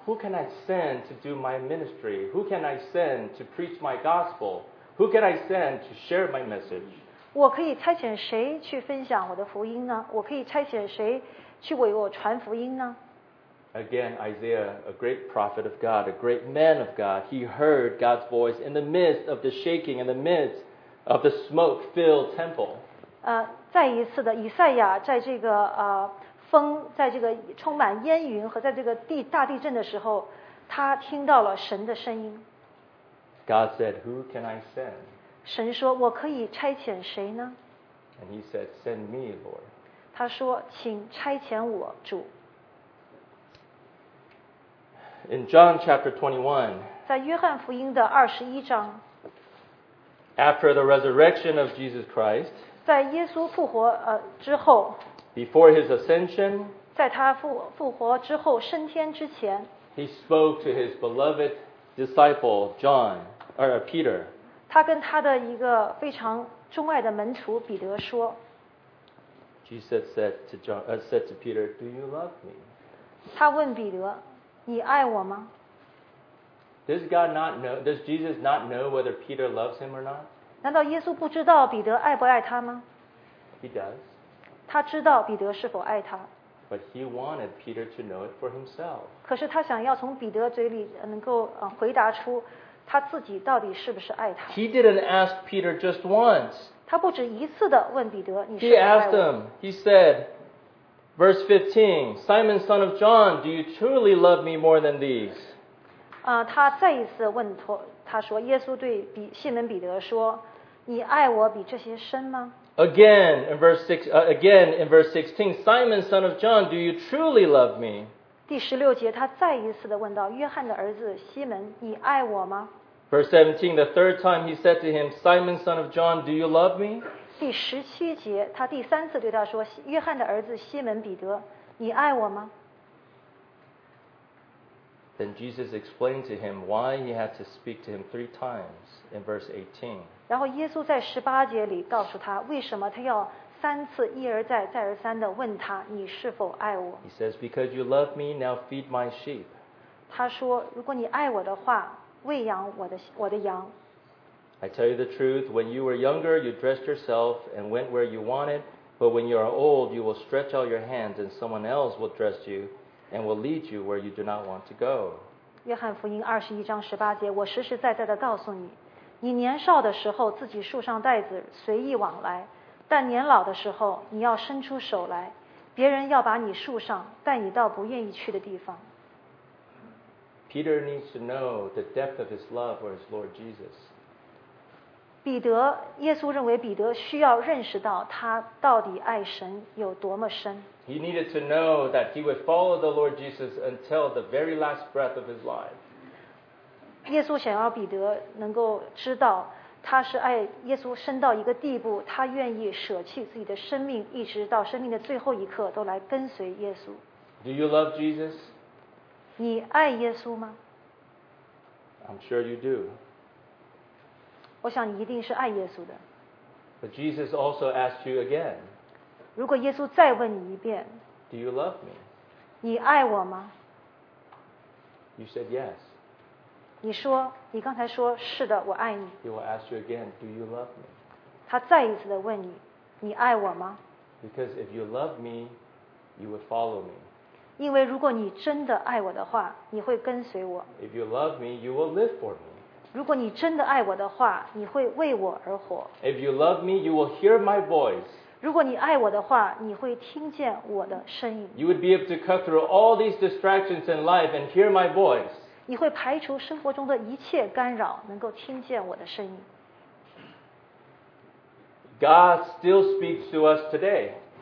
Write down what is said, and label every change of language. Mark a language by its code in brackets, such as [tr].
[en] Who can I send to do my ministry? Who can I send to preach my gospel? Who can I send to share my message? [zh] 我可以差遣谁去分享我的福音呢？我可以差遣谁去为我传福音呢？ [en] Again, Isaiah, a great prophet of God, a great man of God, he heard God's voice in the midst of the shaking, in the midst of the smoke-filled temple. [zh] 再一次的，以赛亚在这个风，在这个充满烟云和在这个大地震的时候，他听到了神的声音。 [en] God said, "Who can I send?" [zh] 神说，我可以差遣谁呢？ [en] And he said, "Send me, Lord." [zh] 他说，请差遣我，主。 [en] In John chapter 21, [zh] 在约翰福音的二十一章 [en] after the resurrection of Jesus Christ, [zh] 在耶稣复活之后 [en] before his ascension, [zh] 在他复活之后升天之前 [en] he spoke to his beloved disciple John, or Peter. [zh] 他跟他的一个非常钟爱的门徒彼得说 [en] Jesus said to, John, said to Peter, Do you love me? [zh] 他问彼得你爱我吗 [en] Does God not know? Does Jesus not know whether Peter loves him or not? [zh] 难道耶稣不知道彼得爱不爱他吗 [en] He does. [zh] 他知道彼得是否爱他 [en] But he wanted Peter to know it for himself. [zh] 可是他想要从彼得嘴里能够回答出他自己到底是不是爱他 [en] He didn't ask Peter just once. [zh] 他不止一次地问彼得你是否爱我 [en] He asked him. He said. Verse 15, Simon, son of John, do you truly love me more than these? [zh] 他再一次问托他说，耶稣对比西门彼得说，你爱我比这些深吗？ [en] Again in verse 16, Simon, son of John, do you truly love me? [zh] 第十六节，他再一次的问到约翰的儿子西门，你爱我吗？ [en] Verse 17, the third time he said to him, Simon, son of John, do you love me? [zh] 第十七节，他第三次对他说：“约翰的儿子西门彼得，你爱我吗？” [en] Then Jesus explained to him why he had to speak to him three times in verse 18. [zh] 然后耶稣在十八节里告诉他，为什么他要三次一而再再而三地问他，你是否爱我？ [en] He says, "Because you love me, now feed my sheep." [zh] 他说，如果你爱我的话，喂养我的羊。 [en] I tell you the truth, when you were younger, you dressed yourself and went where you wanted, but when you are old, you will stretch out your hands and someone else will dress you and will lead you where you do not want to go. [zh] 约翰福音二十一章十八节，我实实在在地告诉你，你年少的时候自己束上带子随意往来，但年老的时候你要伸出手来，别人要把你束上，带你到不愿意去的地方。 [en] Peter needs to know the depth of his love for his Lord Jesus. [zh] 彼得，耶稣认为彼得需要认识到他到底爱神有多么深。 [en] He needed to know that he would follow the Lord Jesus until the very last breath of his life. [zh] 耶稣想要彼得能够知道他是爱耶稣深到一个地步，他愿意舍弃自己的生命，一直到生命的最后一刻都来跟随耶稣。 [en] Do you love Jesus? [zh] 你爱耶稣吗 [en] ？I'm sure you do. [zh] 我想你一定是爱耶稣的。 [en] But Jesus also asked you again. [zh] 如果耶稣再问你一遍 [en] Do you love me? [zh] 你爱我吗 [en] You said yes. [zh] 你说你刚才说是的我爱你。 [en] He will ask you again, do you love me? [zh] 他再一次的问你你爱我吗 [en] Because if you love me, you would follow me. [zh] 因为如果你真的爱我的话你会跟随我。 [en] If you love me, you will live for me. [zh] 如果你真的爱我的话，你会为我而活。 [en] If you love me, you will hear my voice. [zh] 如果你爱我的话，你会听见我的声音。 [en] You would be able to cut through all these distractions in life and hear my voice. [zh] 你会排除生活中的一切干扰，能够听见我的声音。 [en] God still speaks to us today.